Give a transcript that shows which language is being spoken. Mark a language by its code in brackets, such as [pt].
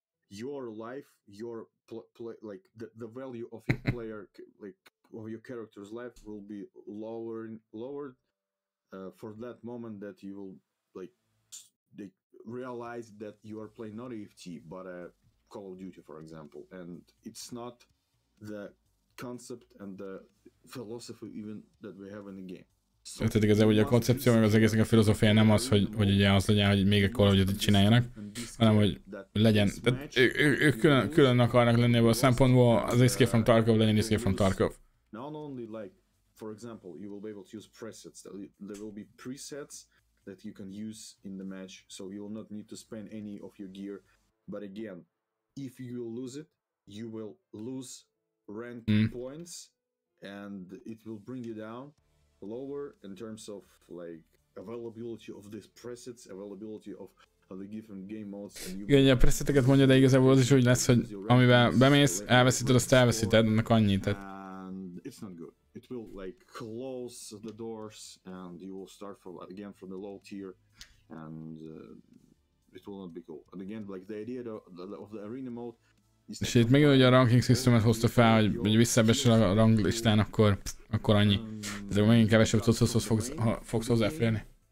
[en] Your life, your play, like the value of your player, like of your character's life will be lowered. For that moment that you will like realize that you are playing not EFT but a Call of Duty, for example, and it's not the concept and the philosophy even that we have in the game. [hu] So tehát igazából ugye a koncepció meg az egésznek a filozófia nem az, hogy ugye az legyen, hogy még egy Call of Duty-t csináljanak, hanem hogy legyen. Tehát ők külön akarnak lenni ebből a szempontból, az Escape from Tarkov legyen Escape from Tarkov. [en] Not only like, for example, you will be able to use presets. There will be presets that you can use in the match, so you will not need to spend any of your gear. But again, if you will lose it, you will lose rank points, and it will bring you down lower in terms of like availability of these presets, availability of the given game modes. [hu] Igen, a preseteket mondja, de igazából az is úgy lesz, hogy amivel bemész, elveszíted, azt elveszíted, annak annyit. [en] It's not good. It will like close the doors and you will start from again from the low tier, and it will not be cool. And again, like the idea of the arena mode is... [hu] És itt megint ugye a ranking systemet hozta fel, hogy visszaebesen a ranglistán, akkor annyi. Ezek megint kevesebb tudszhoz fogsz hozzáférni.